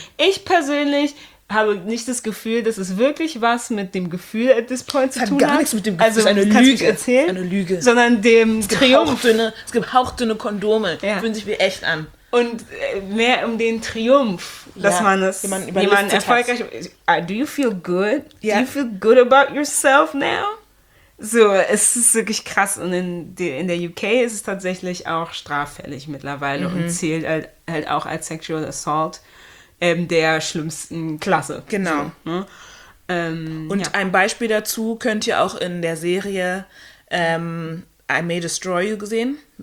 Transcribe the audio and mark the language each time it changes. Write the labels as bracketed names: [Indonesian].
[German] Ich persönlich habe nicht das Gefühl, dass es wirklich was mit dem Gefühl [English] at this point [German] zu tun hat. Hat gar nichts mit dem Gefühl. Also, eine Lüge erzählen. Eine Lüge. Sondern dem Triumph. Es gibt hauchdünne Kondome. Ja. Fühlen sich wie echt an. Und mehr um den Triumph, dass ja, man es jemand erfolgreich hat. [English] Do you feel good? Yeah. Do you feel good about yourself now? [German] So, es ist wirklich krass. Und in der UK ist es tatsächlich auch straffällig mittlerweile, mhm, und zählt halt auch als Sexual Assault der schlimmsten Klasse. Genau. So, ne? Und ja, ein Beispiel dazu könnt ihr auch in der Serie I May Destroy You gesehen.